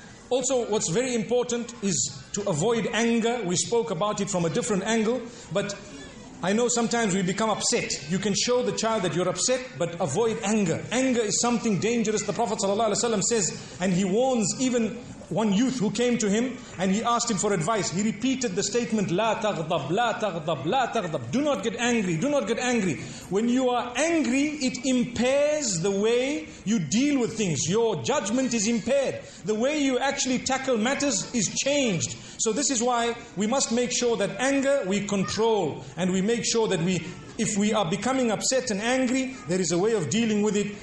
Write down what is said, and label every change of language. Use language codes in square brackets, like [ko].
[en] Also, what's very important is to avoid anger. We spoke about it from a different angle. But I know sometimes we become upset. You can show the child that you're upset, but avoid anger. Anger is something dangerous. The Prophet ﷺ says, and he warns even one youth who came to him, and he asked him for advice. He repeated the statement, [ar] لا تغضب, لا تغضب, لا تغضب. [en] Do not get angry, do not get angry. When you are angry, it impairs the way you deal with things. Your judgment is impaired. The way you actually tackle matters is changed. So this is why we must make sure that anger we control, and we make sure that if we are becoming upset and angry, there is a way of dealing with it.